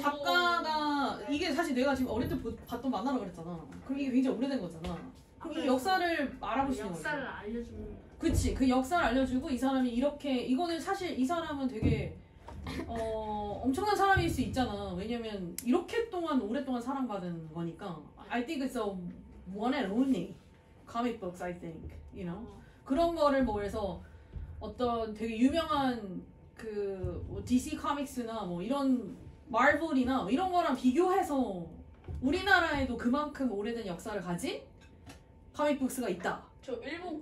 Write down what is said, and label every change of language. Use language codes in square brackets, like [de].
[ko] 작가가 이게 사실 내가 지금 어릴 때 봤던 만화라고 그랬잖아. 그럼 이게 굉장히 오래된 거잖아. 그럼 이 역사를 알아보시는 거지. 역사를 알려주는. 그치. 그 역사를 알려주고 이 사람이 이렇게 이거는 사실 이 사람은 되게 엄청난 사람일 수 있잖아. 왜냐면 이렇게 동안 오랫동안 사랑받은 거니까. [en] I think it's a one and only comic books. I think, you know. [ko] 그런 거를 뭐 해서 어떤 되게 유명한 그 뭐 DC 코믹스나 뭐 이런 마블이나 이런 거랑 비교해서 우리나라에도 그만큼 오래된 역사를 가진 코믹북스가 있다. 저 일본